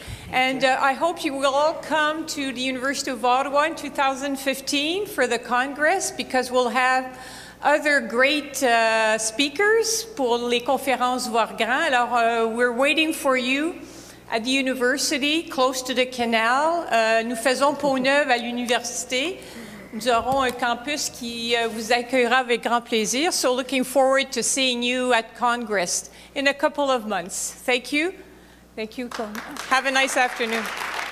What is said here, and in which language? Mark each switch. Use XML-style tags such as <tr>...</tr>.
<en>I hope you will all come to the University of Ottawa in 2015 for the Congress, because we'll have other great speakers</en> <fr>pour les conférences Voir Grand.</fr> <en>Alors, we're waiting for you at the university, close to the canal.</en> <fr>Nous faisons peau neuve à l'université. Nous aurons un campus qui vous accueillera avec grand plaisir.</fr> <en>So looking forward to seeing you at Congress in a couple of months. Thank you. Thank you. Have a nice afternoon.</en>